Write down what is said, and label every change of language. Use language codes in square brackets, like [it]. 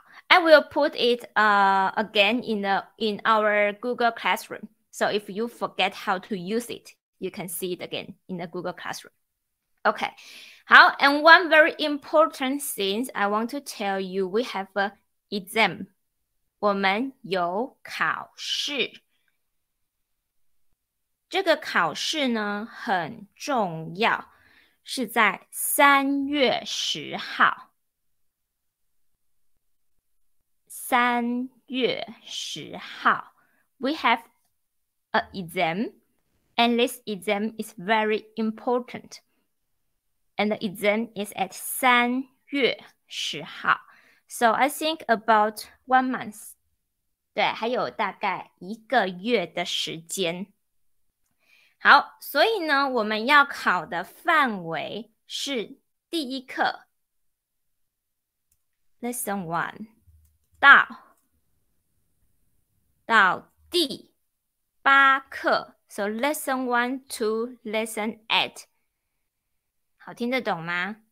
[en] I will put it again in our Google Classroom. So if you forget how to use it, you can see it again in the Google Classroom. Okay. [zh] 好, [en] and one very important thing I want to tell you, we have an exam. [zh] 我们有考试. 这个考试呢, 很重要, 是在3月10号。 3月10号, [en] we have an exam, and this exam is very important. And the exam is at 3月10号. So I think about 1 month. [zh] 对，还有大概一个月的时间。好，所以呢，我们要考的范围是第一课 ，Lesson One， 到第八课 ， [en] So Lesson One to Lesson Eight， [zh] 好听得懂吗？